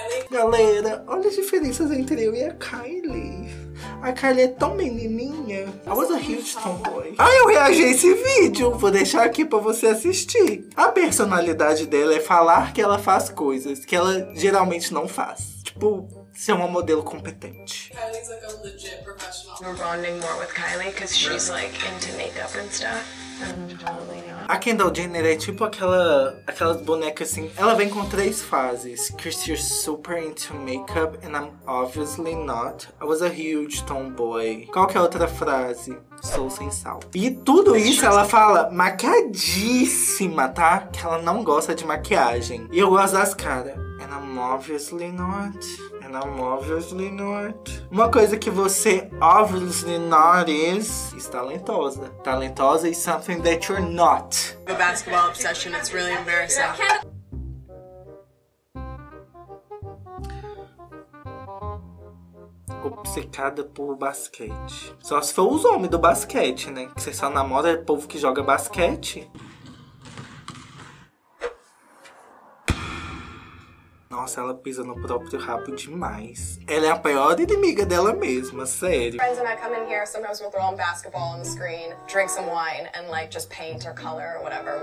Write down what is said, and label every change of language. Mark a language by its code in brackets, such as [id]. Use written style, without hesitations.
[pt] Galera, olha as diferenças entre eu e a Kylie. A Kylie é tão menininha. [en] I was a huge tomboy. [pt] Ah, eu reagi a esse vídeo. Vou deixar aqui pra você assistir. A personalidade dela é falar que ela faz coisas que ela geralmente não faz. Tipo... ser uma modelo competente. [en] Kylie's like a legit professional. We're bonding more with Kylie because she's like into makeup and stuff. [pt] A Kendall Jenner é tipo aquelas bonecas assim. Ela vem com três fases. [en] Chris, you're super into makeup and I'm obviously not. I was a huge tomboy. [pt] Qual que é a outra frase? Sou sem sal. E tudo isso ela fala maquiadíssima, tá? Que ela não gosta de maquiagem. E eu gosto das caras. [en] And I'm obviously not. And I'm obviously not. [pt] Uma coisa que você [en] obviously not is... [pt] is talentosa. [en] Talentosa is something that you're not. The basketball obsession, it's really embarrassing. [pt] Obcecada por basquete. Só se for os homens do basquete, né? Que você só namora é povo que joga basquete. Nossa, ela pisa no próprio rabo demais. Ela é a pior inimiga dela mesma, sério. [en] Friends and I come in here, sometimes we'll throw on basketball on the screen, drink some wine, and like just paint or color or whatever.